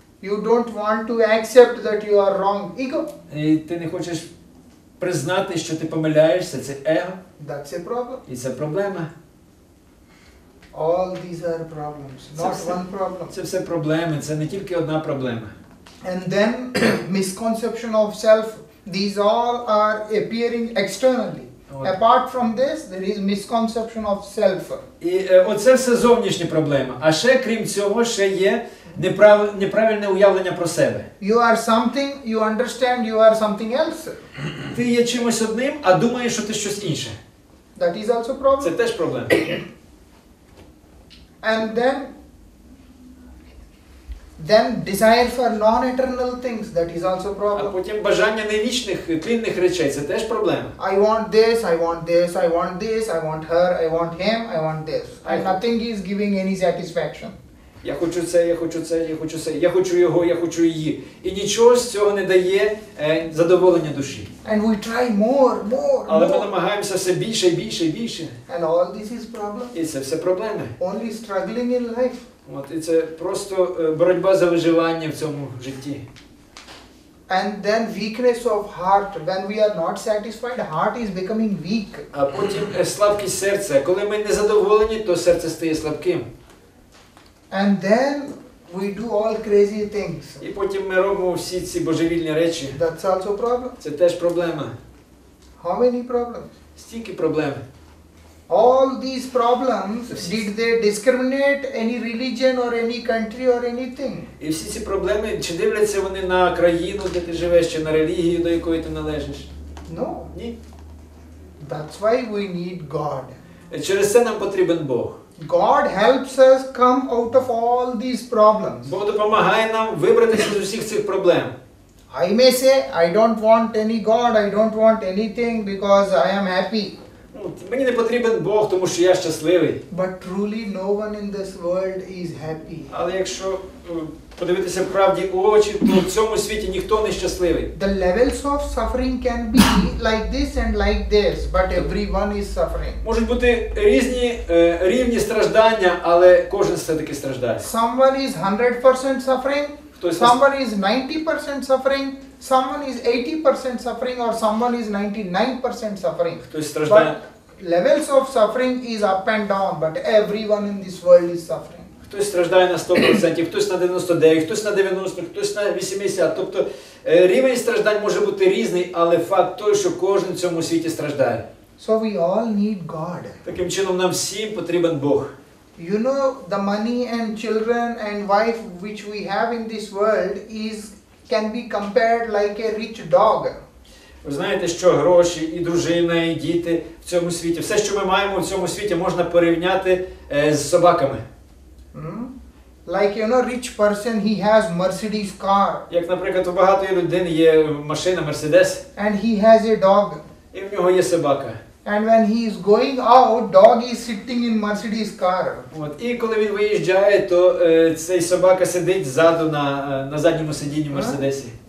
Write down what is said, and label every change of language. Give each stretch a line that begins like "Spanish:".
English: You don't want to accept that you are wrong. Ego.
Ukrainian: І ти не хочеш признати, що ти помиляєшся, це его.
English: That's a problem.
Ukrainian: І це проблема.
English: All these are problems, not one problem.
Ukrainian: Це все проблеми, це не тільки одна проблема.
English: And then misconception of self, these all are appearing externally. Apart from this, there is misconception of self.
Ukrainian: І оце все зовнішні проблеми. А ще крім цього, ще є неправильне уявлення про себе.
English: You are something, you understand you are something else.
Ukrainian: Ти є чимось одним, а думаєш, що ти щось інше.
English: That is also problem.
Ukrainian: Це теж проблема.
English: And then desire for non-eternal things, that is also problem.
Ukrainian: А потім бажання невічних, тлінних речей, це теж проблема.
English: I want this, I want this, I want this, I want her, I want him, I want this. And nothing is giving any satisfaction.
Ukrainian: Я хочу це, я хочу це, я хочу це, я хочу його, я хочу її. І нічого з цього не дає задоволення душі.
English: And we try more, more,
Ukrainian: але
English: more.
Ukrainian: Ми намагаємося все більше і більше і більше.
English: And all this is problem.
Ukrainian: І це все проблеми.
English: Only struggling in life.
Ukrainian: От, і це просто боротьба за виживання в цьому житті.
English: And then weakness of heart. When we are not satisfied, heart is becoming weak.
Ukrainian: А потім слабкість серця. Коли ми не задоволені, то серце стає слабким.
English: And then we do all crazy things.
Ukrainian: І потім ми робимо всі ці божевільні речі.
English: That's also problem.
Ukrainian: Це теж проблема.
English: How many problems?
Ukrainian: Стільки проблем.
English: All these problems, did they discriminate any religion or any country or anything?
Ukrainian: І всі ці проблеми, чи дивляться вони на країну, де ти живеш, чи на релігію, до якої ти належиш?
English: No.
Ukrainian: Ні.
English: That's why we need God.
Ukrainian: Через це нам потрібен Бог.
English: God helps us come out of all these problems.
Ukrainian: Бог допомагає нам вибратися з усіх цих проблем.
English: I may say, I don't want any God, I don't want anything because I am happy.
Ukrainian: Мені не потрібен Бог, тому що я щасливий.
English: But truly no one in this world is happy.
Ukrainian: Але якщо подивитися правді у очі, то в цьому світі ніхто не щасливий.
English: The levels of suffering can be like this and like this, but everyone is suffering.
Ukrainian: Можуть бути різні рівні страждання, але кожен все-таки страждає.
English: Someone is 100% suffering, someone is 90% suffering, someone is 80% suffering or someone is 99% suffering.
Ukrainian: Хтось страждає.
English: Levels of suffering is up and down, but everyone in this world is suffering.
Ukrainian: Хтось страждає на 100%, хтось на 99%, хтось на 90%, хтось на 80%. Тобто рівень страждань може бути різний, але факт той, що кожен в цьому світі страждає.
English: So we all need God.
Ukrainian: Таким чином нам всім потрібен Бог.
English: You know, the money and children and wife which we have in this world is can be compared like a rich dog.
Ukrainian: Ви знаєте, що гроші і дружина, і діти в цьому світі, все, що ми маємо в цьому світі, можна порівняти з собаками.
English: Like, you know, rich person, he has Mercedes car.
Ukrainian: Як, наприклад, у багатої людини є машина Mercedes.
English: And he has a dog.
Ukrainian: І в нього є собака.
English: And when he is going out, dog is sitting in Mercedes car.
Ukrainian: От, і коли він виїжджає, то цей собака сидить ззаду на задньому сидінні Mercedes.